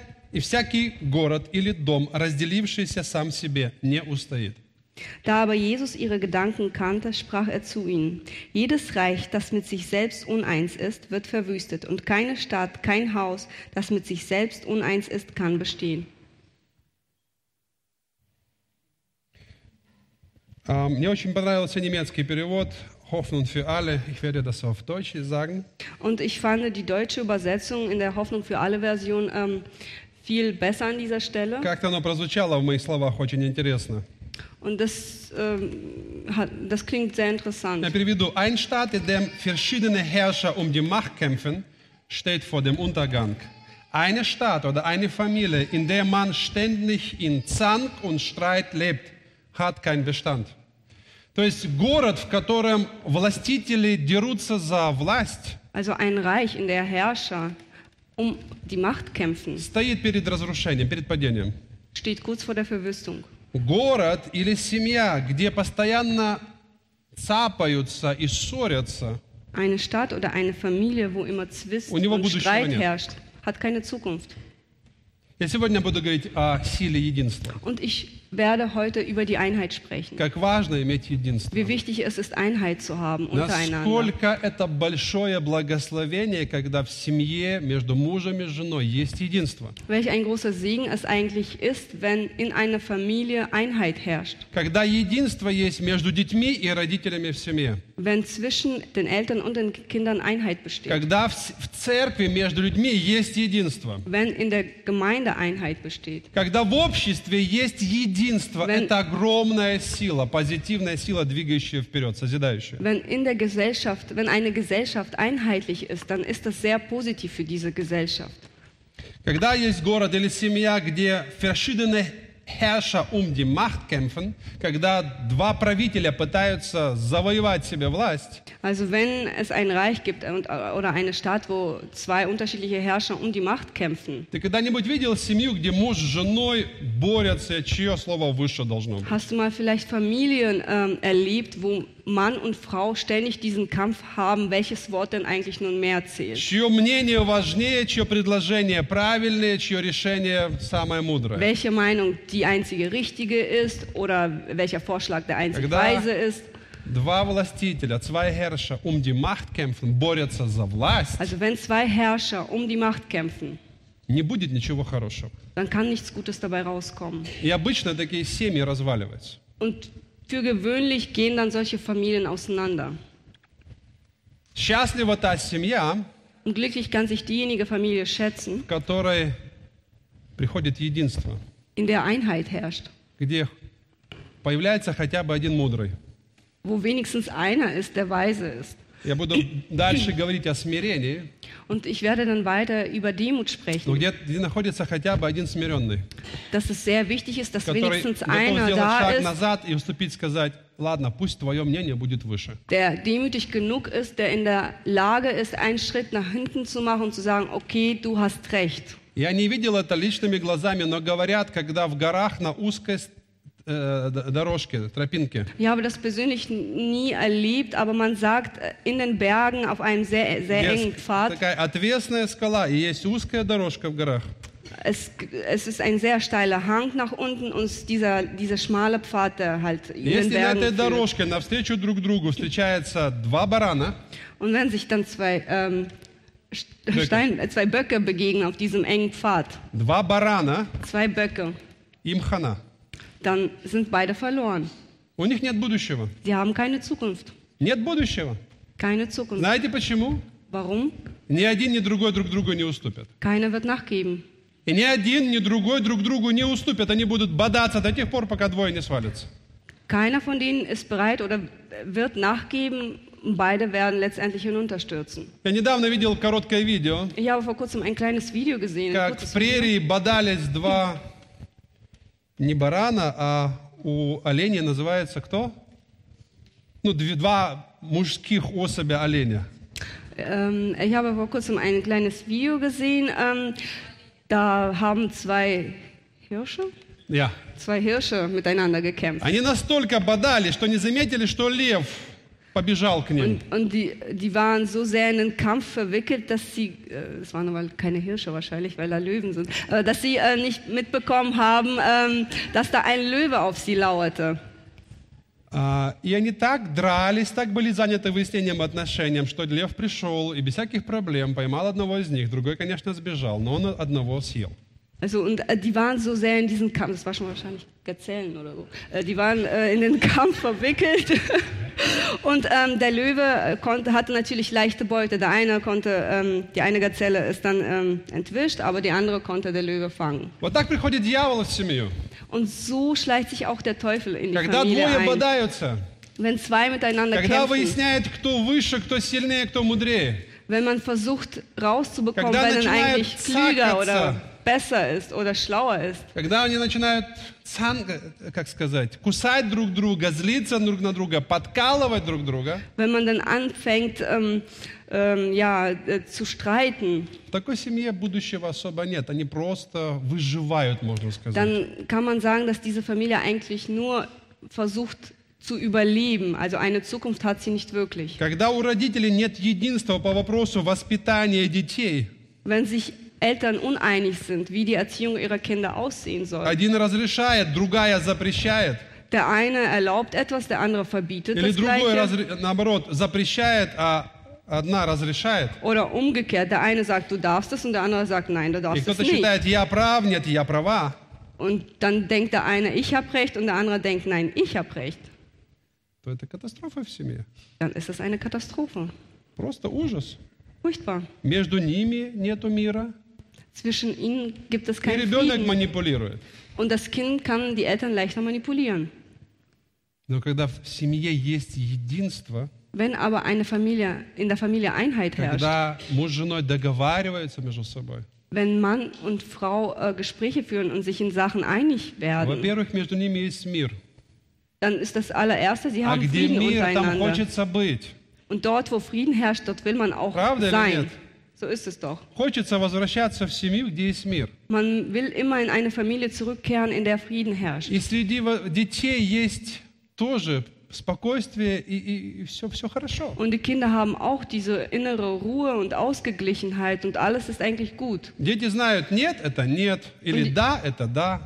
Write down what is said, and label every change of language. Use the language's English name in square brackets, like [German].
[Russian] И всякий город или дом, разделившийся сам себе, не устоит». [German] Da aber Jesus ihre Gedanken kannte, sprach er zu ihnen, jedes Reich, das mit sich selbst uneins ist, wird verwüstet, und keine Stadt, kein Haus, das mit sich selbst uneins ist, kann bestehen. [Russian] Мне очень понравился немецкий перевод «Hoffnung für alle». [German] Ich werde das auf Deutsch sagen. Und ich fand die deutsche Übersetzung in der Hoffnung für alle Version viel besser an dieser Stelle. [Russian] Как-то оно прозвучало в моих словах очень интересно. [German] Und das, das klingt sehr interessant. [Russian] Я переведу. [German] Ein Staat, in dem verschiedene Herrscher um die Macht kämpfen, steht vor dem Untergang. Eine Stadt oder eine Familie, in der man ständig in Zank und Streit lebt, hat keinen Bestand. [Russian] То есть город, в котором властители дерутся за власть, [German] also ein Reich, in der Herrscher um die Macht kämpfen, [Russian] стоит перед разрушением, перед падением. [German] Steht kurz vor der Verwüstung. [Russian] Город или семья, где постоянно цапаются и ссорятся, [German] eine Stadt oder eine Familie, wo immer Zwist und Streit herrscht, hat keine Zukunft. [Russian] Я сегодня буду говорить о силе единства. [German] Und ich werde heute über die Einheit sprechen. [Russian] Как важно иметь единство. [German] Wie wichtig es ist, Einheit zu haben untereinander. [Russian] Насколько это большое благословение, когда в семье между мужем и женой есть единство. [German] Welch ein großer Segen es eigentlich ist, wenn in einer Familie Einheit herrscht. [Russian] Когда единство есть между детьми и родителями в семье. [German] Wenn zwischen den Eltern und den Kindern Einheit besteht. [Russian] Когда в церкви между людьми есть единство. [German] Wenn in der Gemeinde Einheit besteht. [Russian] Когда в обществе есть единство. Единство – это огромная сила, позитивная сила, двигающая вперед, созидающая. [German] Wenn in der Gesellschaft, wenn eine Gesellschaft einheitlich ist, dann ist das sehr positiv für diese Gesellschaft. [Russian] Когда есть город или семья, где [German] verschiedene Herrscher um die Macht kämpfen, [Russian] когда два правителя пытаются завоевать себе власть. [German] Also wenn es ein Reich gibt oder eine Stadt, wo zwei unterschiedliche Herrscher um die Macht kämpfen. [Russian] Ты когда-нибудь видел семью, где муж с женой борются, чье слово выше должно быть? [German] Hast du mal vielleicht Familien erlebt, wo Mann und Frau ständig diesen Kampf haben, welches Wort denn eigentlich nun mehr zählt? [Russian] Чье мнение важнее, чье предложение правильнее, чье решение самое мудрое? [German] Welche Meinung die einzige richtige ist oder welcher Vorschlag der einzige weise ist? [Russian] Два властителя, [German] zwei Herrscher um die Macht kämpfen, [Russian] борются за власть. [German] Also wenn zwei Herrscher um die Macht kämpfen, [Russian] не будет ничего хорошего. [German] Dann kann nichts Gutes dabei rauskommen. [Russian] И обычно такие семьи разваливаются. [German] Und für gewöhnlich gehen dann solche Familien auseinander. [Russian] Счастлива та [Ukrainian] сім'я, [German] und glücklich kann sich diejenige Familie schätzen, [Russian] в которой приходит единство, [German] in der Einheit herrscht, [Russian] где появляется хотя бы один мудрый, [German] wo wenigstens einer ist, der weise ist. [Russian] Я буду дальше говорить о смирении. [German] Und ich werde dann weiter über Demut sprechen. [Russian] Где, где находится хотя бы один смиренный, [German] dass es sehr wichtig ist, dass [Russian] который [German] wenigstens einer [Russian] готов сделать [German] da [Russian] шаг [German] ist, [Russian] назад и уступить, сказать, ладно, пусть твое мнение будет выше. [German] Der demütig genug ist, der in der Lage ist, einen Schritt nach hinten zu machen und zu sagen, okay, du hast recht. [Russian] Я не видел это личными глазами, но говорят, когда в горах на узкой дорожки, тропинки. Я [German] habe das persönlich nie erlebt, aber man sagt, in den Bergen auf einem sehr, sehr engen Pfad. [Russian] Есть такая отвесная скала, и есть узкая дорожка в горах. [German] Es, es ist ein sehr steiler Hang nach unten und dieser, dieser schmale Pfad, der halt in den [Russian] Если [German] Bergen [Russian] на этой дорожке навстречу друг другу встречаются два барана, [German] und wenn sich dann zwei, zwei Böcke begegnen auf diesem engen Pfad, [Russian] два барана, [German] zwei Böcke, [Russian] им хана. [German] Dann sind beide verloren. [Russian] У них нет будущего. [German] Sie haben keine Zukunft. [Russian] Нет будущего. [German] Keine Zukunft. [Russian] Знаете почему? [German] Warum? [Russian] Ни один, ни другой друг другу не уступят. [German] Keiner wird nachgeben. [Russian] И ни один, ни другой друг другу не уступят. Они будут бодаться до тех пор, пока двое не свалятся. [German] Keiner von denen ist bereit oder wird nachgeben. Beide werden letztendlich hinunterstürzen. [Russian] Я недавно видел короткое видео. [German] Ich habe vor kurzem ein kleines Video gesehen. [Russian] Как в прерии бодались два не барана, а у оленя называется кто? Ну, два мужских особя оленя. [German] Ich habe vor kurzem ein kleines Video gesehen. Da haben zwei Hirsche? Ja. Zwei Hirsche miteinander gekämpft. [Russian] Они настолько бодали, что не заметили, что лев побежал к ним. [German] Und die waren so sehr in den Kampf verwickelt, dass sie, es waren aber keine Hirsche wahrscheinlich, weil da Löwen sind, dass sie nicht mitbekommen haben, dass da ein Löwe auf sie lauerte. [Russian] И они так дрались, так были заняты выяснением отношений, что лев пришел и без всяких проблем поймал одного из них, другой, конечно, сбежал, но он одного съел. [German] Also und die waren so sehr in diesen Kampf, das war schon wahrscheinlich Gazellen oder so. Die waren in den Kampf verwickelt und der Löwe konnte, hatte natürlich leichte Beute. Der eine konnte, die eine Gazelle ist dann entwischt, aber die andere konnte der Löwe fangen. [Russian] Вот так приходит дьявол в семью. [German] Und so schleicht sich auch der Teufel in die [Russian] когда [German] Familie [Russian] двое бодаются, [German] ein. Wenn zwei miteinander [Russian] когда [German] kämpfen. [Russian] Выясняет, кто выше, кто сильнее, кто мудрее. [German] Wenn man versucht rauszubekommen, wer denn eigentlich klüger oder besser ist oder schlauer ist. [Russian] Когда они начинают как сказать, кусать друг друга, злиться друг на друга, подкалывать друг друга. [German] Wenn man dann anfängt, zu streiten. [Russian] В такой семье будущего особо нет. Они просто выживают, можно сказать. [German] Dann kann man sagen, dass diese Familie eigentlich nur versucht zu überleben. Also eine Zukunft hat sie nicht wirklich. [Russian] Когда у родителей нет единства по вопросу воспитания детей. [German] Wenn sich Eltern uneinig sind, wie die Erziehung ihrer Kinder aussehen soll. [Russian] Один разрешает, другая запрещает. [German] Der eine erlaubt etwas, der andere verbietet [Russian] или [German] das Gleiche. [Russian] Наоборот, запрещает, а одна разрешает. [German] Oder umgekehrt, der eine sagt, du darfst es, und der andere sagt, nein, du darfst [Russian] и кто-то [German] es nicht. [Russian] Считает, я прав, нет, я права. [German] Und dann denkt der eine, ich habe recht, und der andere denkt, nein, ich habe recht. [Russian] То это катастрофа в семье. [German] Dann ist es eine Katastrophe. [Russian] Просто ужас. [German] Furchtbar. [Russian] Между ними нету мира. [German] Zwischen ihnen gibt es keinen [Russian] и ребенок [German] Frieden. [Russian] Манипулирует. [German] Und das Kind kann die Eltern leichter manipulieren. [Russian] Но когда в семье есть единство, [German] wenn aber eine Familie, in der Familie Einheit herrscht, [Russian] когда муж с женой договариваются между собой, [German] wenn Mann und Frau Gespräche führen und sich in Sachen einig werden, [Russian] во-первых, между ними есть мир. [German] Dann ist das allererste, sie haben Frieden [Russian] мир, [German] untereinander. [Russian] А где мир, там хочется быть. [German] Und dort, wo Frieden herrscht, dort will man auch [Russian] Правда [German] sein. [Russian] Нет? [German] So ist es doch. [Russian] Хочется возвращаться в семью, где есть мир. [German] Man will immer in eine Familie zurückkehren, in der Frieden herrscht. [Russian] И среди детей есть тоже спокойствие и все, все хорошо. [German] Und die Kinder haben auch diese innere Ruhe und Ausgeglichenheit und alles ist eigentlich gut. [Russian] Дети знают, нет, это нет, или да, это да.